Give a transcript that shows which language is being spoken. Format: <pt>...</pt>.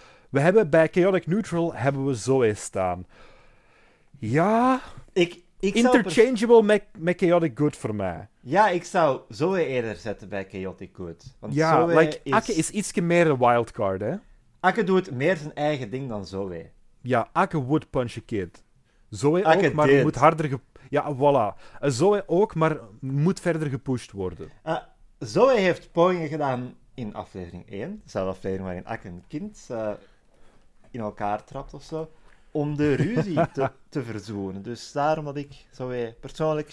<nl>We hebben bij Chaotic Neutral hebben we Zoe staan. Ja, ik interchangeable met Chaotic Good voor mij. Ja, ik zou Zoe eerder zetten bij Chaotic Good. Want ja, Zoe</nl> <en>like,</en> <nl>is... Akke is ietsje meer een wildcard, hè. Akke doet meer zijn eigen ding dan Zoe.</nl> <en>Ja, Akke would punch a kid.</en> <nl>Zoe Akke ook, maar dit. Moet harder... Ja, voilà. Zoe ook, maar moet verder gepusht worden. Zoe heeft pogingen gedaan in aflevering 1. Dezelfde aflevering waarin Akke een kind in elkaar trapt of zo. Om de ruzie te verzoenen. Dus daarom dat ik Zoe persoonlijk...</nl>